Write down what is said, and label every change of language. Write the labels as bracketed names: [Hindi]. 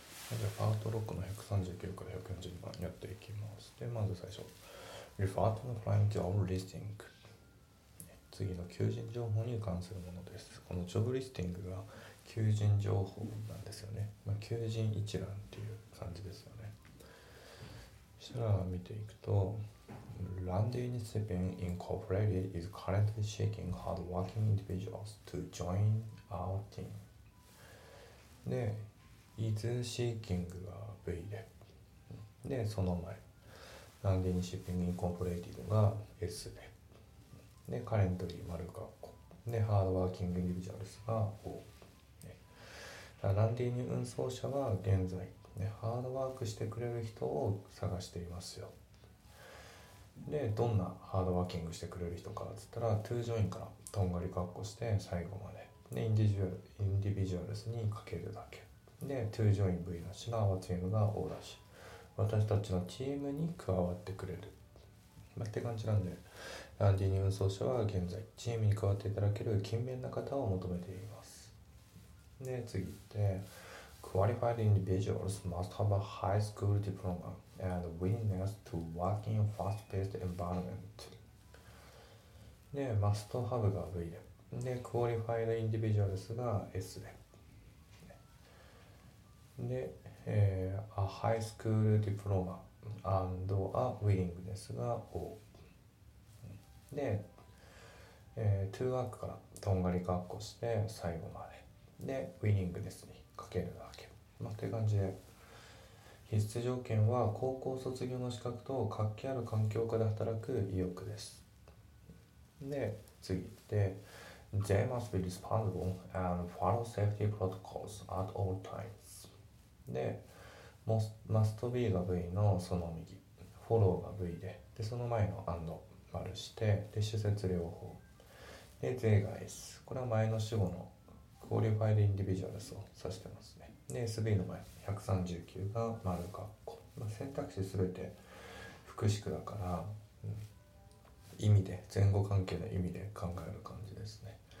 [Japanese] じゃあパート6の139から140番やっていきます。でまず最初 [English] Refer to the Prime Job Listing、 [Japanese] 次の求人情報に関するものです。このジョブリスティングが求人情報なんですよね、まあ、求人一覧っていう感じですよね。そしたら見ていくと、 [English] Randy Nisipin Incorporated is currently seeking hardworking individuals to join our team. [Japanese] で、Is seeking が V で。で、その前、Randy Nisipin Incorporated が S で。で、currently 丸括弧。で、hardworking individuals が O。 Randy に運送者は現在、ね、ハードワークしてくれる人を探していますよ。でどんなハードワーキングしてくれる人かっつったら、トゥージョインからとんがりカッコして最後まで、でインディビジュアルスにかけるだけで、トゥージョイン V なしが、アワチームが O だし、私たちのチームに加わってくれる、まあ、って感じなんで、ランディに運送者は現在チームに加わっていただける勤勉な方を求めています。で次行って、 [English] Qualified individuals must have a high school diploma and willingness to work in a fast-paced environment. [Japanese] で、must have が V で。 で、qualified individuals が S で。で、 [English] a high school diploma and a willingness [Japanese] が O。で、to work からとんがりカッコして最後まで。で、willingness にかけるだけ。まあ、って感じで、必須条件は高校卒業の資格と活気ある環境下で働く意欲です。で次行って、 [English] They must be responsible and follow safety protocols at all times。 [Japanese] で must be が V のその右、 follow が V で、でその前の and 丸して、で施設療法で、 They が S、 これは前の主語の qualified individuals を指してますね。で、SB の前、139が丸括弧。まあ、選択肢すべて複式だから、うん、意味で、前後関係の意味で考える感じですね。